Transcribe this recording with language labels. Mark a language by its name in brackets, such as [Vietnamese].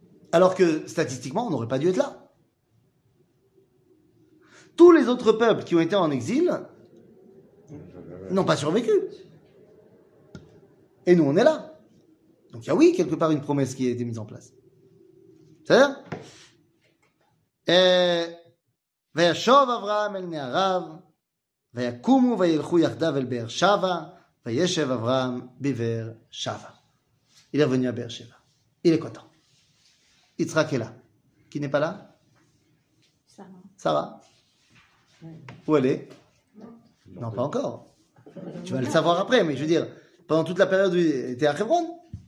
[French] Alors que statistiquement, on n'aurait pas dû être là. Tous les autres peuples qui ont été en exil n'ont pas survécu. Et nous, on est là. Donc il y a, oui, quelque part, une promesse qui a été mise en place. C'est-à-dire [Hebrew] וישוב אברהם אל נהריו, ויקומו וילכו יחדיו אל באר שבע, וישב אברהם בבאר שבע. [French] Il est revenu à באר שבע. Il est content. יצחק est là. Qui n'est pas là? Sarah. Sarah. Où elle est? Non, pas encore. Tu vas le savoir après, mais je veux dire, pendant toute la période où il était à Hebron.